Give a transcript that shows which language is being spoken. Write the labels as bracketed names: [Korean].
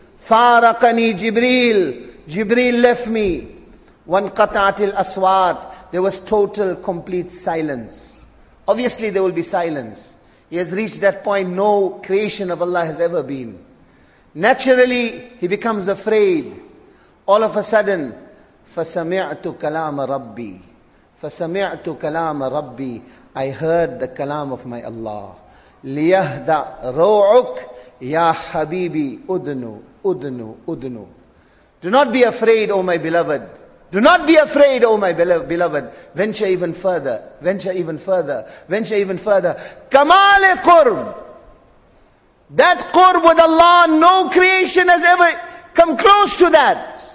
[Arabic] Faraqani Jibreel. [English] Jibreel left me. [Arabic] Wanqata'atil aswat. [English] There was total, complete silence. Obviously there will be silence. He has reached that point, no creation of Allah has ever been. Naturally, he becomes afraid. All of a sudden, [Arabic] فَسَمِعْتُ كَلَامَ رَبِّي فَسَمِعْتُ كَلَامَ رَبِّي. [English] I heard the kalam of my Allah. [Arabic] لِيَهْدَ رَوْعُكْ يَا حَبِيبِي أُدْنُ Udnu, udnu. [English] Do not be afraid, O my beloved. Do not be afraid, O my beloved. Venture even further. Venture even further. Venture even further. [Urdu] Kamale qurb. [English] That qurb with Allah, no creation has ever come close to that.